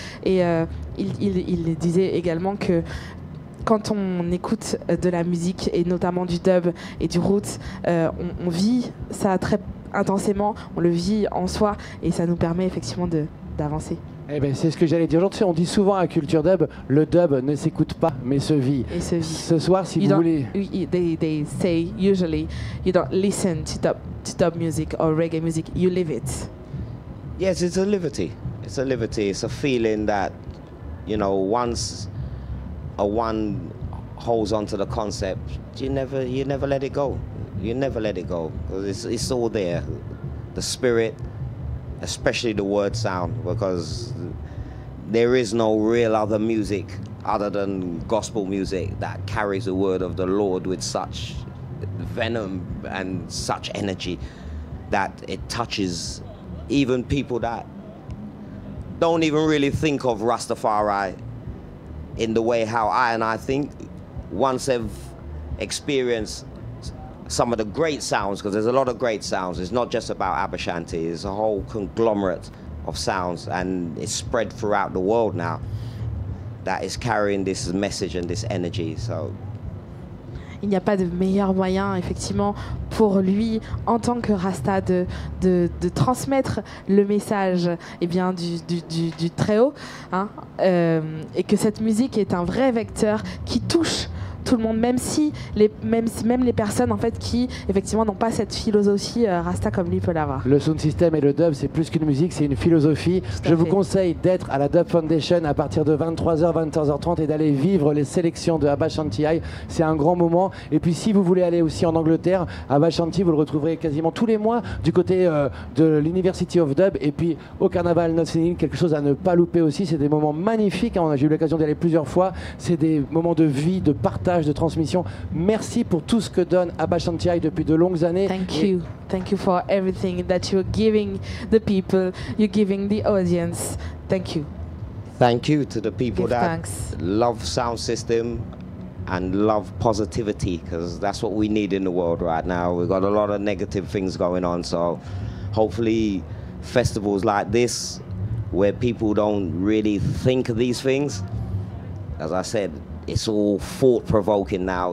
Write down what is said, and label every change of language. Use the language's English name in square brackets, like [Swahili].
[French] Et il disait également que quand on écoute de la musique, et notamment du dub et du roots, on vit ça très intensément, on le vit en soi, et ça nous permet effectivement d'avancer. Eh ben, c'est ce que j'allais dire aujourd'hui. On dit souvent à Culture Dub, le dub ne s'écoute pas, mais se vit. Et se vit. Ce soir, si [English] you [French] vous voulez. [English] They say usually you don't listen to dub music or reggae music, you live it. Yes, it's a liberty. It's a liberty. It's a feeling that, you know, once a one holds onto the concept, you never let it go. You never let it go. Because it's all there. The spirit, especially the word sound, because there is no real other music other than gospel music that carries the word of the Lord with such venom and such energy that it touches even people that don't even really think of Rastafari in the way how I and I think. Once they've experienced some of the great sounds, because there's a lot of great sounds, it's not just about ABA SHANTI, it's a whole conglomerate of sounds, and it's spread throughout the world now, that is carrying this message and this energy. So [French] il n'y a pas de meilleur moyen, effectivement, pour lui, en tant que Rasta, de transmettre le message, eh bien, du très haut, hein, et que cette musique est un vrai vecteur qui touche tout le monde, même les personnes en fait qui effectivement n'ont pas cette philosophie Rasta comme lui peut l'avoir. Le sound system et le dub, c'est plus qu'une musique, c'est une philosophie. Je vous conseille d'être à la Dub Foundation à partir de 23h, 23h30 et d'aller vivre les sélections de ABA SHANTI. C'est un grand moment. Et puis si vous voulez aller aussi en Angleterre, ABA SHANTI, vous le retrouverez quasiment tous les mois du côté de l'University of Dub, et puis au Carnaval Notting Hill, quelque chose à ne pas louper aussi. C'est des moments magnifiques, hein. J'ai eu l'occasion d'y aller plusieurs fois. C'est des moments de vie, de partage, de transmission. Merci pour tout ce que donne ABA SHANTI depuis de longues années. [English] Thank you for everything that you're giving the people, you're giving the audience. Thank you to the people. Give that thanks. Love sound system and love positivity, because that's what we need in the world right now. We've got a lot of negative things going on, so hopefully festivals like this, where people don't really think of these things, as I said, it's all thought-provoking now.